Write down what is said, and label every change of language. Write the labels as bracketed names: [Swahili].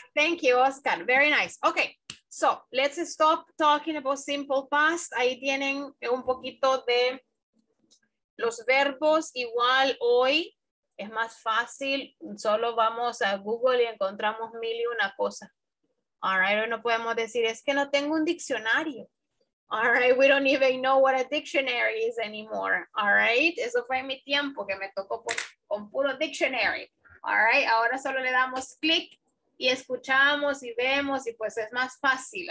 [English] Thank you, Oscar. Very nice. Okay. So let's stop talking about simple past. [Spanish] Ahí tienen un poquito de los verbos igual hoy. Es más fácil. Solo vamos a Google y encontramos mil y una cosas. All right. No podemos decir, es que no tengo un diccionario. [English] All right. We don't even know what a dictionary is anymore. All right. [Spanish] Eso fue mi tiempo que me tocó con puro dictionary. All right. Ahora solo le damos click y escuchamos y vemos y pues es más fácil.